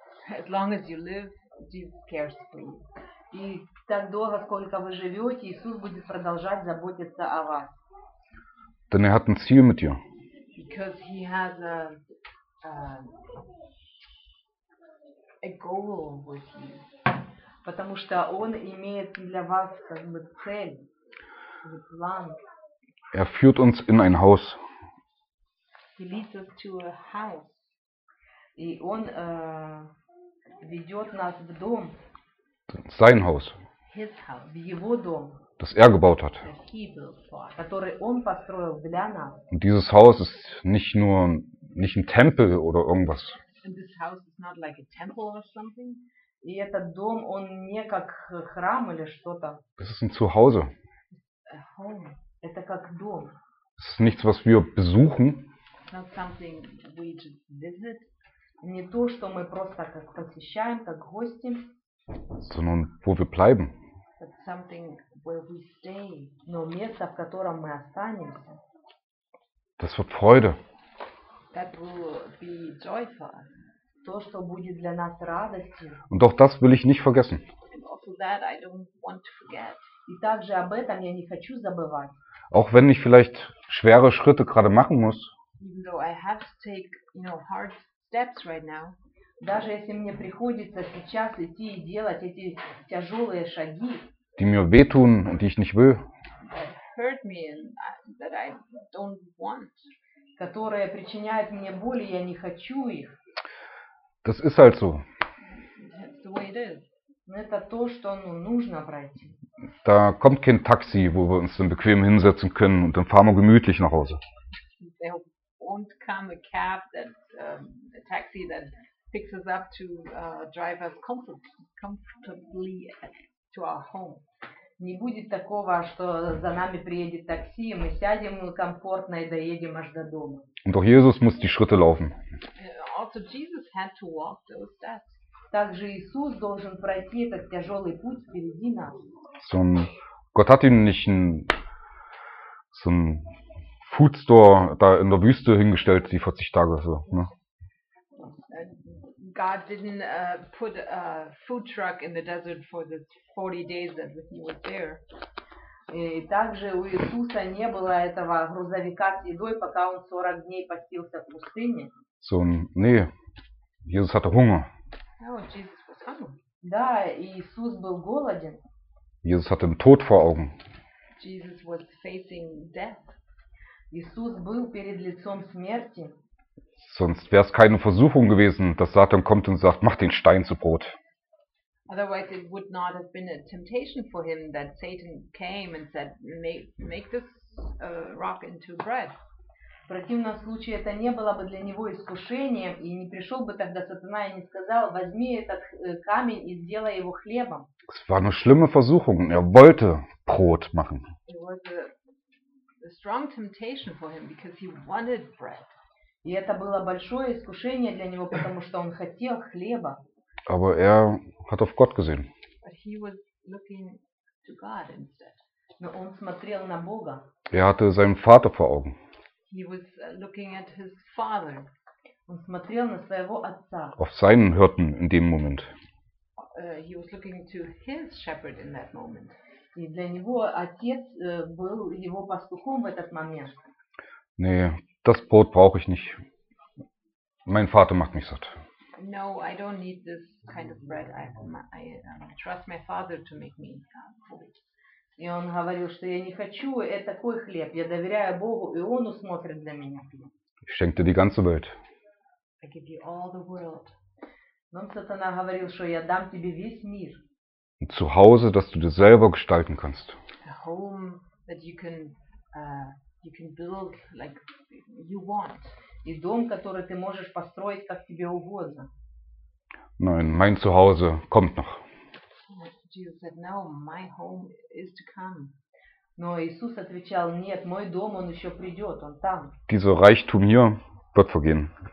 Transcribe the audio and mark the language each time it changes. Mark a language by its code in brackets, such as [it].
[en] As long as you live, Jesus cares for you. [ru] И так долго, сколько вы живете, Иисус будет продолжать заботиться о вас. [de] Denn er hat ein Ziel mit dir. [en] Because he has a goal with you. [ru] Потому что он имеет для вас как бы цель, план. [de] Er führt uns in ein Haus. [en] He leads us to a house. [ru] И он ведет нас в дом. [de] Sein Haus. [en] His house, [ru] в его дом. [de] Das er gebaut hat. [en] That he built for, [ru] который он построил для нас. [de] Und dieses Haus ist nicht ein Tempel oder irgendwas. [en] And this house is not like a temple or something. [ru] И этот дом, он не как храм или что-то. [de] Das ist ein Zuhause. [en] A home. [ru] Это как дом. [de] Es ist nichts, was wir besuchen. [en] It's not something we just visit. [ru] Не то, что мы просто как посещаем, как гостим, [de] sondern wo wir bleiben. [en] But something where we stay. [ru] Но место, в котором мы останемся. [de] Das wird Freude. [en] That will be joy for us. [ru] То, что будет для нас радостью. [de] Und auch das will ich nicht vergessen. [en] And also that I don't want to forget. [ru] И также об этом я не хочу забывать. [de] Auch wenn ich vielleicht schwere Schritte gerade machen muss. [en] Even though I have to take, you know, hard steps right now. [ru] Даже если мне приходится сейчас идти и делать эти тяжелые шаги, [de] die mir wehtun und die ich nicht will. [en] Hurt me and that I don't want. [ru] Которые причиняют мне боль, я не хочу их. [de] Das ist halt so. [en] That's the way it is. [ru] Но это то, что нужно пройти. [de] Da kommt kein Taxi, wo wir uns dann bequem hinsetzen können und dann fahren wir gemütlich nach Hause. [en] There won't come a cab that a taxi that picks us up to drive us comfortably to our home. [ru] Не будет такого, что за нами приедет такси, и мы сядем комфортно и доедем аж до дома. [de] Und auch Jesus muss die Schritte laufen. [en] Also Jesus had to walk those steps. [ru] Также Иисус должен пройти этот тяжелый путь впереди нас. [de] So ein, Gott hat ihm nicht ein, so ein Foodstore da in der Wüste hingestellt, die 40 Tage so. Ne? [en] God didn't put a food truck in the desert for the 40 days that he was there. [ru] И также у Иисуса не было этого грузовика с едой, пока он 40 дней постился в пустыне. [de] So ein, nee, Jesus hatte Hunger. [en] Oh, Jesus was hungry. [ru] Да, Иисус был голоден. [de] Jesus hatte den Tod vor Augen. [en] Jesus was facing death. [ru] Иисус был перед лицом смерти. [de] Sonst wäre es keine Versuchung gewesen, dass Satan kommt und sagt, mach den Stein zu Brot. [en] Otherwise it would not have been a temptation for him that Satan came and said, make this rock into bread. [ru] В противном случае это не было бы для него искушением, и не пришел бы тогда сатана и не сказал, возьми этот камень и сделай его хлебом. [de] Es war eine schlimme Versuchung. Er wollte Brot machen. [en] It was a strong temptation for him because he wanted bread. [ru] И это было большое искушение для него, потому что он хотел хлеба. [de] Aber er hat auf Gott gesehen. [en] But he was looking to God instead. [ru] Но он смотрел на Бога. [de] Er hatte seinen Vater vor Augen. [en] He was looking at his father. [ru] Он смотрел на своего отца. [de] Auf seinen Hirten in dem Moment. [en] He was looking to his shepherd in that moment. [ru] И для него отец был его пастухом в этот момент. [de] Nee, das Brot brauche ich nicht. Mein Vater macht mich satt. [en] No, I don't need this kind of bread. I trust my father to make me full. [ru] И он говорил, что я не хочу такой хлеб. Я доверяю Богу, и Он усмотрит для меня хлеб. [de] Ich schenke dir die ganze Welt. [en] I give you all the world. [ru] Но сатана говорил, что я дам тебе весь мир. [de] Zu Hause, dass du dir selber gestalten kannst. [en] A home that you can build like you want. [ru] И дом, который ты можешь построить, как тебе угодно. [de] Nein, mein Zuhause kommt noch. [en] Jesus said, "No, my home is to come." [ru] Но Иисус отвечал, нет, мой дом он еще придет, он там. [de] Dieser Reichtum hier wird vergehen.